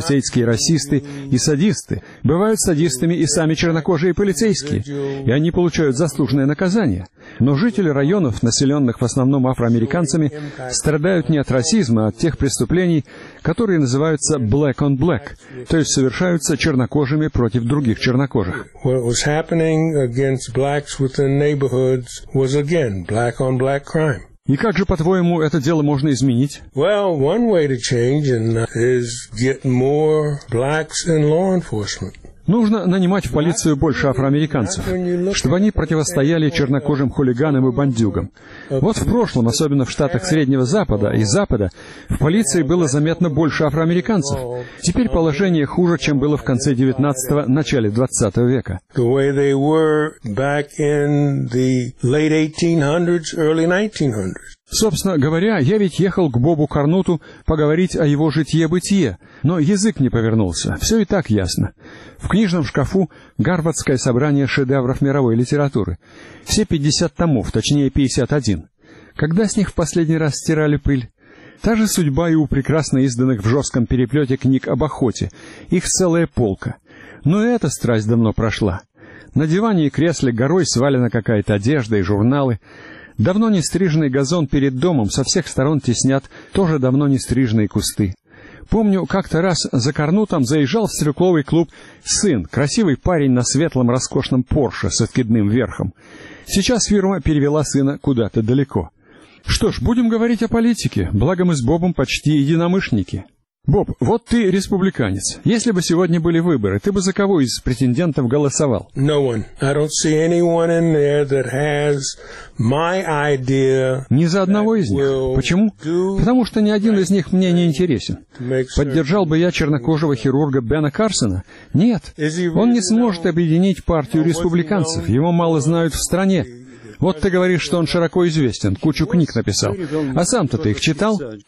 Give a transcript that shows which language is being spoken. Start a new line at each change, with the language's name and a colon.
Russian: полицейские расисты и садисты. Бывают садистами и сами чернокожие полицейские, и они получают заслуженное наказание. Но жители районов, населенных в основном афроамериканцами, страдают не от расизма, а от тех преступлений, которые называются
English: «black on black»,
Russian: то есть совершаются чернокожими против других чернокожих.
English: What was happening against blacks within neighborhoods was again black on black crime.
Russian: И как же, по-твоему, это дело можно изменить?
English: Well, one way to change is get more blacks in law enforcement.
Russian: Нужно нанимать в полицию больше афроамериканцев, чтобы они противостояли чернокожим хулиганам и бандюгам. Вот в прошлом, особенно в штатах Среднего Запада и Запада, в полиции было заметно больше афроамериканцев. Теперь положение хуже, чем было в конце 19-го, начале 20-го века.
English: The way they were back in the late 1800s, early 1900s.
Russian: Собственно говоря, я ведь ехал к Бобу Карнуту поговорить о его житье-бытие, но язык не повернулся, все и так ясно. В книжном шкафу Гарвардское собрание шедевров мировой литературы. Все 50 томов, точнее 51. Когда с них в последний раз стирали пыль? Та же судьба и у прекрасно изданных в жестком переплете книг об охоте. Их целая полка. Но и эта страсть давно прошла. На диване и кресле горой свалена какая-то одежда и журналы. Давно не стриженный газон перед домом со всех сторон теснят тоже давно не стриженные кусты. Помню, как-то раз за Карнутом заезжал в стрелковый клуб сын, красивый парень на светлом роскошном Порше с откидным верхом. Сейчас фирма перевела сына куда-то далеко. Что ж, будем говорить о политике, благо мы с Бобом почти единомышленники. Боб, вот ты республиканец. Если бы сегодня были выборы, ты бы за кого из претендентов голосовал?
English: No one. I don't see anyone in there that has my idea.
Russian: Ни за одного из них. Почему? Потому что ни один из них мне не интересен. Поддержал бы я чернокожего хирурга Бена Карсона? Нет. Он не сможет объединить партию республиканцев. Его мало знают в стране. Вот ты говоришь, что он широко известен, кучу книг написал. А сам-то ты их читал?